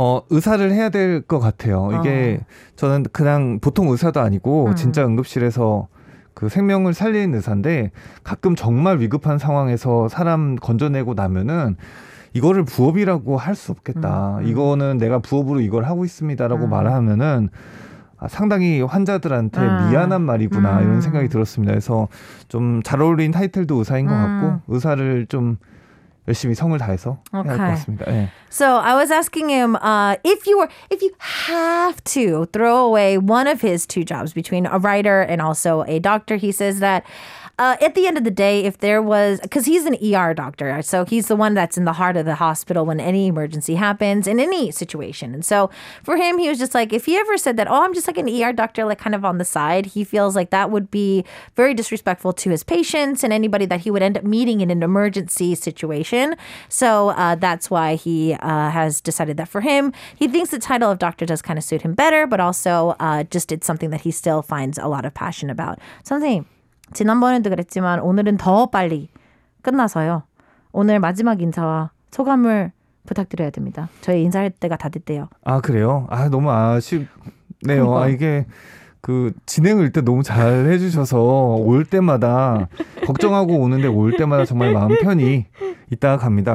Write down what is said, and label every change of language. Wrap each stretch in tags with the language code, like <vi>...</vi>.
<ko>의사를 해야 될 것 같아요. 이게 저는 그냥 보통 의사도 아니고 진짜 응급실에서 그 생명을 살리는 의사인데, 가끔 정말 위급한 상황에서 사람 건져내고 나면은 이거를 부업이라고 할 수 없겠다. 이거는 내가 부업으로 이걸 하고 있습니다라고 말하면은 상당히 환자들한테 미안한 말이구나 이런 생각이 들었습니다. 그래서 좀 잘 어울린 타이틀도 의사인 것 같고, 의사를 좀 열심히 성을 다해서 해야 할 것 같습니다. 네.</ko> <en>So I was asking him if you have to throw away one of his two jobs between a writer and also a doctor, he says that at the end of the day, if there was, because he's an ER doctor, so he's the one that's in the heart of the hospital when any emergency happens in any situation. And so for him, he was just like, if he ever said that, oh, I'm just like an ER doctor, like kind of on the side, he feels like that would be very disrespectful to his patients and anybody that he would end up meeting in an emergency situation. So that's why he has decided that for him, he thinks the title of doctor does kind of suit him better, but also just it's something that he still finds a lot of passion about. Something.</en> <ko>지난번에도 그랬지만 오늘은 더 빨리 끝나서요. 오늘 마지막 인사와 소감을 부탁드려야 됩니다. 저희 인사할 때가 다 됐대요. 아 그래요? 아 너무 아쉽네요. 아 이게 그 진행을 때 너무 잘 해주셔서 올 때마다 걱정하고 오는데 올 때마다 정말 마음 편히 있다가 갑니다.</ko>